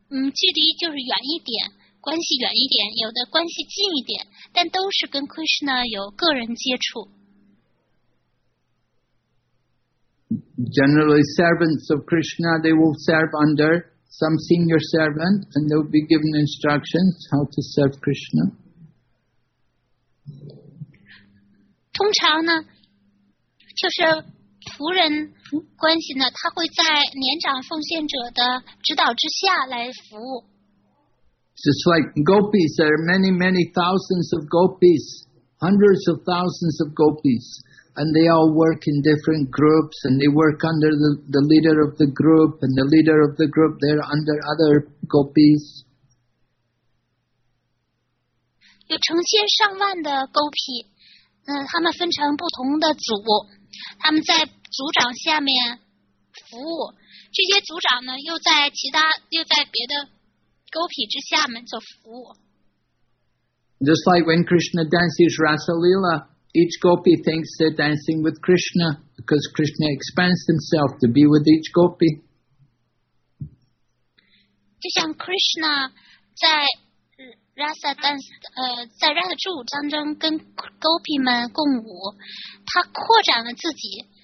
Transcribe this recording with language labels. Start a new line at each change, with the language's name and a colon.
Chinese: 距离就是远一点，关系远一点，有的关系近一点，但都是跟 Krishna 有个人接触。
English: Generally, servants of Krishna, they will serve under some senior servant, and they will be given instructions how to serve Krishna.
Chinese: 通常呢，就是仆人关系呢，他会在年长奉献者的指导之下来服务。
English: Just like gopis, there are many, many thousands of gopis, hundreds of thousands of gopis, and they all work in different groups, and they work under the leader of the group, and the leader of the group, they're under other gopis.
Chinese: 有成千上万的 gopi, 他们分成不同的组，他们在组长下面服务，这些组长呢又在别的勾匹之下面做服务。
English: Just like when Krishna dances Rasa Lila, each gopi thinks they're dancing with Krishna because Krishna expands himself to be with each gopi.
Chinese: 就像 Krishna 在
English: Rasa dance
Chinese: 在 Rasa 之舞当中跟勾匹们共舞，他扩展了自己。